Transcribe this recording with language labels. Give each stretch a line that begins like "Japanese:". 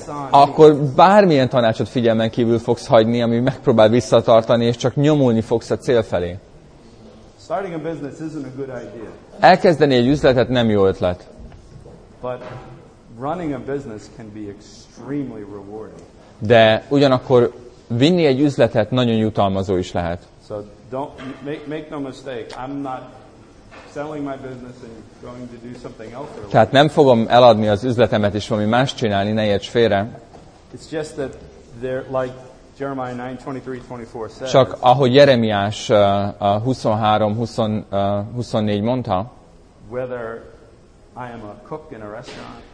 Hungarian: Akkor bármilyen tanácsot figyelmen kívül fogsz hagyni, ami megpróbál visszatartani, és csak nyomulni fogsz a cél felé.
English: Starting a business isn't a good idea.
Hungarian: Elkezdeni egy üzletet nem jó ötlet.
English: But running a business can be extremely rewarding.
Hungarian: De ugyanakkor vinni egy üzletet nagyon jutalmazó is lehet.
English: So don't make no mistake. I'm not selling my business and going to do something else.
Hungarian: Tehát nem fogom eladni az üzletemet és valami más csinálni, ne érts félre.
English: It's just that there, like Jeremiah 9:23-24 says.
Hungarian: Csak ahogy Jeremiás 23-24 mondta.
English: Whether I am a cook in a restaurant.